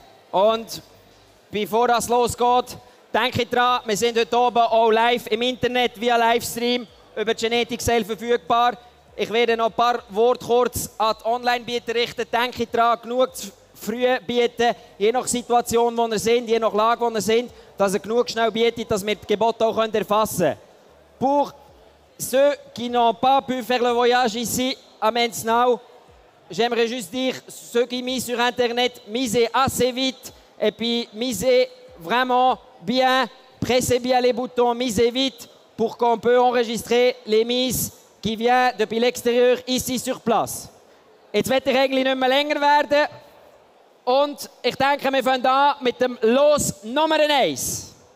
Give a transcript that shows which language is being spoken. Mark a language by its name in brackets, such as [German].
[German] Und bevor das losgeht, denke ich daran, wir sind heute oben auch live im Internet via Livestream über Genetics.l verfügbar. Ich werde noch ein paar Worte kurz an die Online-Bieter richten. Denke daran, genug zu früh bieten, je nach Situation, wo wir sind, je nach Lage, wo wir sind, dass er genug schnell bietet, dass wir die Gebote auch erfassen können. [French] Pour ceux qui n'ont pas pu faire le voyage ici à Menznau, j'aimerais juste dire, ceux qui misent sur Internet, misez assez vite et puis misez vraiment bien, pressez bien les boutons, misez vite pour qu'on peut enregistrer les mises qui vient depuis l'extérieur ici sur place. [German] Jetzt wird der Engel nicht mehr länger werden. Und ich denke, wir fangen an mit dem Los Nummer 1.